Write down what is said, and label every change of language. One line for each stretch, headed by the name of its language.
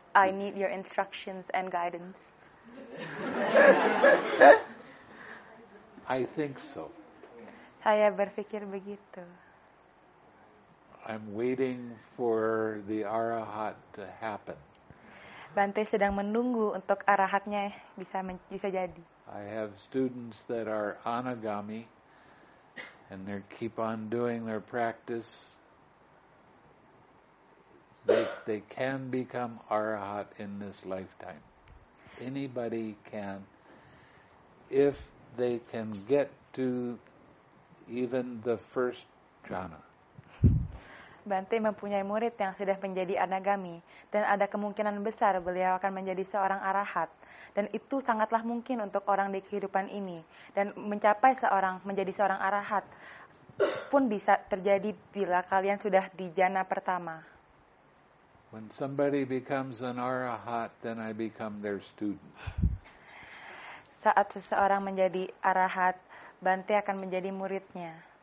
English: I need your instructions and guidance. I think so.
Indonesian: Saya berpikir begitu.
English: I'm waiting for the arahat to happen.
Indonesian: Bante sedang menunggu untuk arahatnya bisa jadi.
English: I have students that are anagami and they keep on doing their practice. They can become arahat in this lifetime. Anybody can, if they can get to even the first jhana.
Indonesian: Bante mempunyai murid yang sudah menjadi anagami dan ada kemungkinan besar beliau akan menjadi seorang arahat, dan itu sangatlah mungkin untuk orang di kehidupan ini, dan mencapai seorang menjadi seorang arahat pun bisa terjadi bila kalian sudah di jhana pertama.
English: When somebody becomes an arahat, then I become their student.
Indonesian: Saat seseorang menjadi arahat, Bante akan menjadi muridnya.